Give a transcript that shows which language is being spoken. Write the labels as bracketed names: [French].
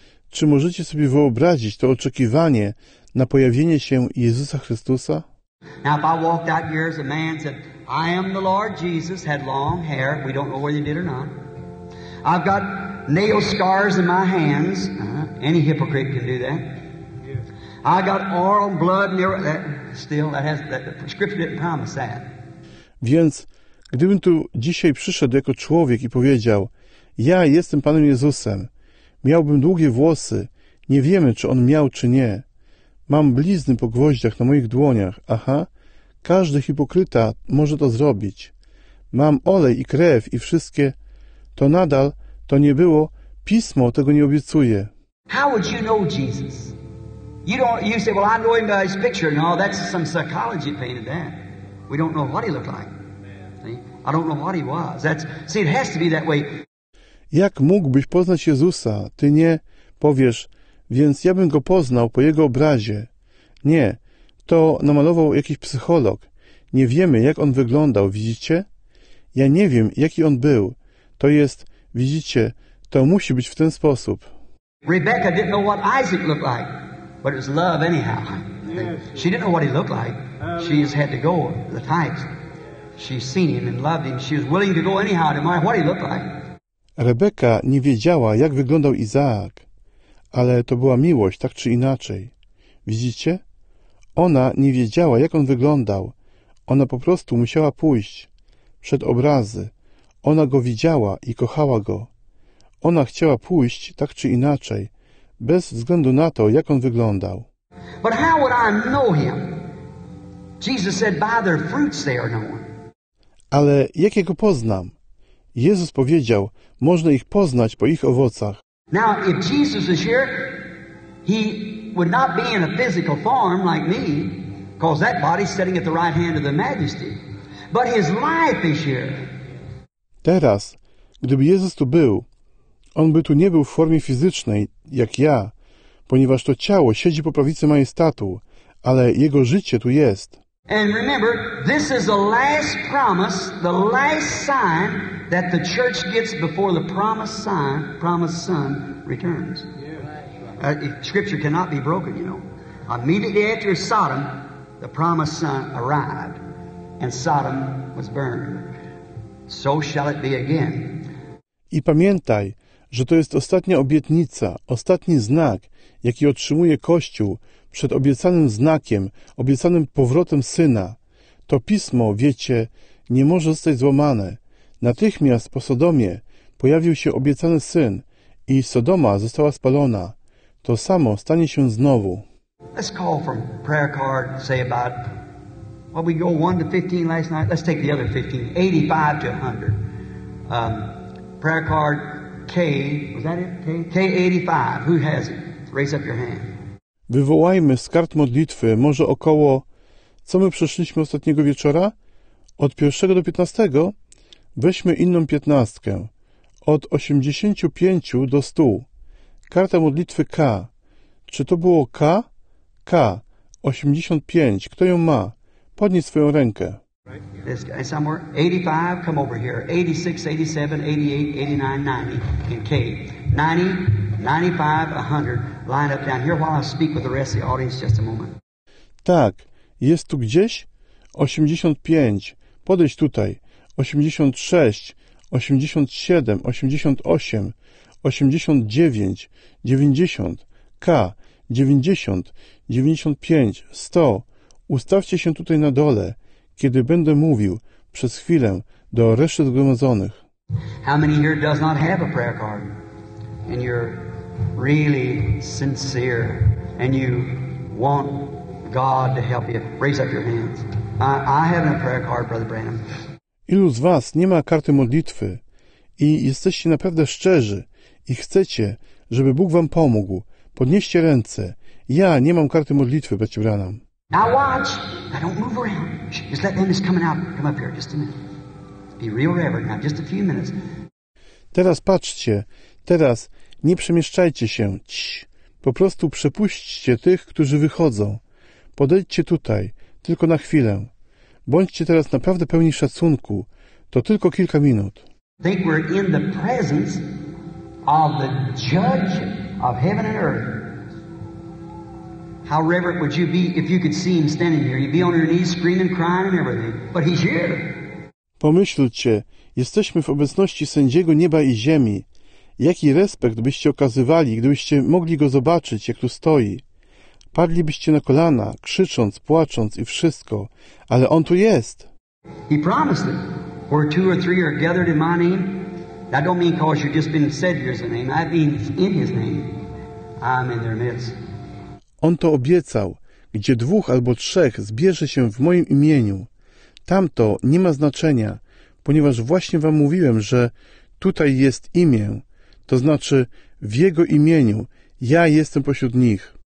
[Polish] Czy możecie sobie wyobrazić to oczekiwanie na pojawienie się Jezusa Chrystusa? [English] Now, if I walked out here as a man said, I am the Lord Jesus, had long hair, we don't know whether he did or not. I've got nail scars in my hands, Any hypocrite can do that. I got oil, blood, and everything. Still, the scripture didn't promise that. [Polish] Więc gdybym tu dzisiaj przyszedł jako człowiek i powiedział, ja jestem Panem Jezusem, miałbym długie włosy, nie wiemy, czy on miał, czy nie. Mam blizny po gwoździach na moich dłoniach. Aha, każdy hipokryta może to zrobić. Mam olej i krew i wszystkie. To nadal to nie było. Pismo tego nie obiecuje. [English] How would you know Jesus? You say, well, I know him by his picture. No, that's some psychology painted that. We don't know what he looked like. See? I don't know what he was. It has to be that way. [Polish] Jak mógłbyś poznać Jezusa? Ty nie powiesz, więc ja bym go poznał po jego obrazie. Nie, to namalował jakiś psycholog. Nie wiemy, jak on wyglądał, widzicie? Ja nie wiem, jaki on był. To jest, widzicie, to musi być w ten sposób. [English] Rebecca didn't know what Isaac looked like, but it was love anyhow. She didn't know what he looked like. She just had to go, the types. She's seen him and loved him. She was willing to go anyhow, no matter what he looked like. [Polish] Rebecca nie wiedziała, jak wyglądał Izaak. Ale to była miłość, tak czy inaczej. Widzicie? Ona nie wiedziała, jak on wyglądał. Ona po prostu musiała pójść przed obrazy. Ona go widziała i kochała go. Ona chciała pójść, tak czy inaczej, bez względu na to, jak on wyglądał. [English] But how would I know him? Jesus said, by their fruits they are known. [Polish] Ale jak ja go poznam? Jezus powiedział, można ich poznać po ich owocach. [English] Now, if Jesus is here, he would not be in a physical form like me, because that body's sitting at the right hand of the Majesty. But his life is here. [Polish] Teraz, gdyby Jezus tu był, on by tu nie był w formie fizycznej, jak ja, ponieważ to ciało siedzi po prawicy majestatu, ale jego życie tu jest. [English] And remember, this is the last promise, the last sign that the church gets before the promised son returns. Scripture cannot be broken, you know. Immediately after Sodom, the promised son arrived, and Sodom was burned. So shall it be again. [Polish] I pamiętaj, że to jest ostatnia obietnica, ostatni znak, jaki otrzymuje Kościół przed obiecanym znakiem, obiecanym powrotem Syna. To pismo, wiecie, nie może zostać złamane. Natychmiast po Sodomie pojawił się obiecany Syn i Sodoma została spalona. To samo stanie się znowu. [English] Let's call from prayer card, say about, well, we go 1 to 15 last night, let's take the other 15, 85 to 100. Prayer card K, was that it? K85, who has it? Raise up your hand. [Polish] Wywołajmy z kart modlitwy może około, co my przeszliśmy ostatniego wieczora? Od 1 do 15? Weźmy inną 15. Od 85 do 100. Karta modlitwy K. Czy to było K? K. 85. Kto ją ma? Podnieś swoją rękę. [English] This guy somewhere. 85, come over here. 86, 87, 88, 89, 90. And K. 90. 95, 100, line up down here while I speak with the rest of the audience just a moment. [Polish] Tak, jest tu gdzieś? 85, podejdź tutaj. 86, 87, 88, 89, 90, K, 90, 95, 100. Ustawcie się tutaj na dole, kiedy będę mówił przez chwilę do reszty zgromadzonych. [English] How many here does not have a prayer card? And you're really sincere and you want God to help you, raise up your hands. I have a prayer card, Brother Branham. [Polish] Ilu z was nie ma karty modlitwy i jesteście naprawdę szczerzy i chcecie, żeby Bóg wam pomógł, podnieście ręce. Ja nie mam karty modlitwy, Brother Branham. [English] Now watch, I don't move around. Just let them just coming out, come up here, just a minute. Be real reverent, now just a few minutes. [Polish] Teraz patrzcie, teraz nie przemieszczajcie się, po prostu przepuśćcie tych, którzy wychodzą. Podejdźcie tutaj, tylko na chwilę. Bądźcie teraz naprawdę pełni szacunku, to tylko kilka minut. [English] Think we're in the presence of the judge of heaven and earth. How reverent would you be if you could see him standing here? You'd be on your knees screaming, crying and everything. But he's here. [Polish] Pomyślcie, jesteśmy w obecności sędziego nieba i ziemi. Jaki respekt byście okazywali, gdybyście mogli go zobaczyć, jak tu stoi? Padlibyście na kolana, krzycząc, płacząc i wszystko, ale on tu jest. [English] He promised it. Where two or three are gathered in my name, that don't mean cause you've just been said here's the name. I mean in his name, I'm in their midst. [Polish] On to obiecał, gdzie dwóch albo trzech zbierze się w moim imieniu. Tamto nie ma znaczenia, ponieważ właśnie wam mówiłem, że tutaj jest imię, to znaczy w jego imieniu ja jestem pośród nich.